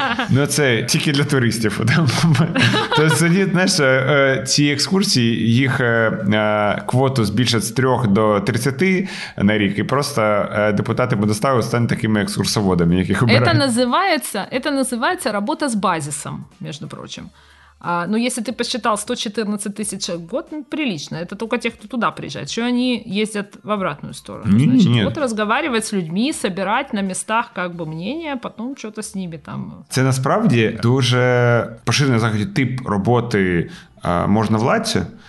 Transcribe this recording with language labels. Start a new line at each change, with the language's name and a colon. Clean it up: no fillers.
Ukrainian: Ну, це тільки для туристів. То це, знаєш, ці екскурсії, їх квоту збільшать з 3 до 30 на рік, і просто депутати Бундестагу стануть такими екскурсоводами, яких обирають. Це називається робота з базисом, між прочим.
Russian: Ну, если ты посчитал 114 тысяч человек в год, ну, прилично. Это только те, кто туда приезжает. Что они ездят в обратную сторону? Нет. Вот разговаривать с людьми, собирать на местах как бы мнение, потом что-то с ними там.
Ukrainian: Це насправді дуже поширений заході тип роботи можновладця.